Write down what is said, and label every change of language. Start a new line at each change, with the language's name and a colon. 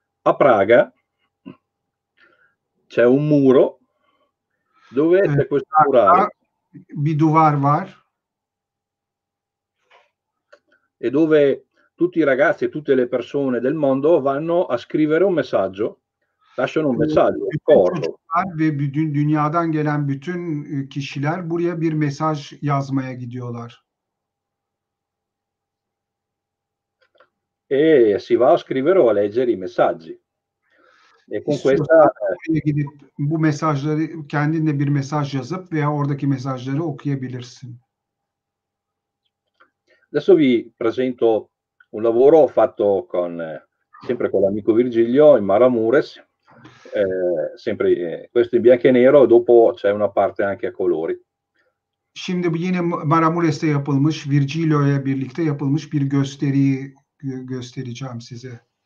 Italian: A Praga c'è un muro dove c'è questo murale.
Turkish: Bir duvar var.
Italian: E dove tutti i ragazzi e tutte le persone del mondo vanno a scrivere un messaggio, lasciano un messaggio, un ricordo.
Turkish: Ve bütün dünyadan gelen bütün kişiler buraya bir mesaj yazmaya gidiyorlar.
Italian: E si va a scrivere o a leggere i messaggi. E con questa
Turkish: gidip, bu mesajları kendinde bir mesaj yazıp veya oradaki mesajları okuyabilirsin.
Italian: Adesso vi presento un lavoro fatto sempre con l'amico Virgilio in Maramures. Sempre questo in bianco e nero e dopo c'è una parte anche a colori.
Turkish: Şimdi yine Maramures'te yapılmış Virgilio'ya birlikte yapılmış bir gösteriyi göstereceğim size.